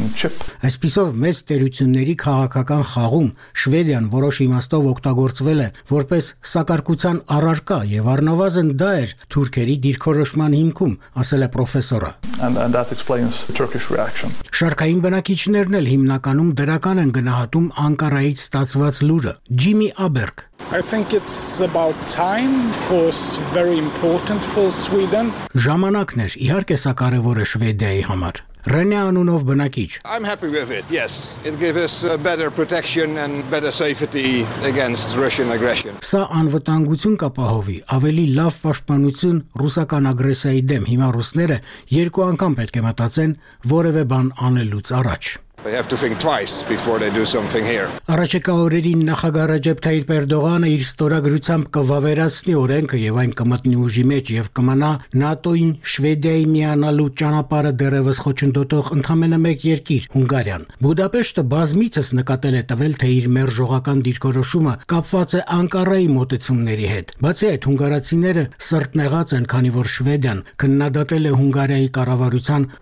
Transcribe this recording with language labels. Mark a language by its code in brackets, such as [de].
[hy] Այսպիսով մեծ տերությունների քաղաքական խաղում Շվեդիան որոշ իմաստով օգտագործվել է որպես սակարկության առարկա եւ առնովազն դա էր թուրքերի դիրքորոշման հիմքում, ասել է պրոֆեսորը։ Շարքային բնակիչներն էլ հիմնականում դրական են գնահատում Անկարայից ստացված լուրը։ Ջիմի Աբերգ: [en] I think it's about time, of course, very important for Sweden. [hy] Ժամանակն էր, իհարկե սա կարևոր է Շվեդիայի համար։ Ռենե անունով բնակիչ. [en] I'm happy with it. Yes. It gives us better protection and better safety against Russian aggression. [hy] Սա անվտանգություն կապահովի, ավելի լավ պաշտպանություն ռուսական ագրեսիայի դեմ։ Հիմա ռուսները երկու անգամ պետք է մտածեն որևէ բան անելուց առաջ։ [en] They have to think twice before they do something here. [hy] Արաչեկա օրերին նախագահ Ռեջեփ Թայիփ Էրդողանը իր ստորագրությամբ կվավերացնի օրենքը եւ այն կմտնի ուժի մեջ եւ կմնա ՆԱՏՕ-ին Շվեդիայի միանալու ճանապարհը դեռևս խոչընդոտող ընդամենը մեկ երկիր՝ Հունգարիան։ Բուդապեշտը բազմիցս նկատել է տվել, թե իր մերժողական դիրքորոշումը կապված է Անկարայի մոտեցումների հետ։ Բացի այդ, հունգարացիները սրտնեղած են, քանի որ Շվեդիան քննադատել է Հունգարիայի կառավարության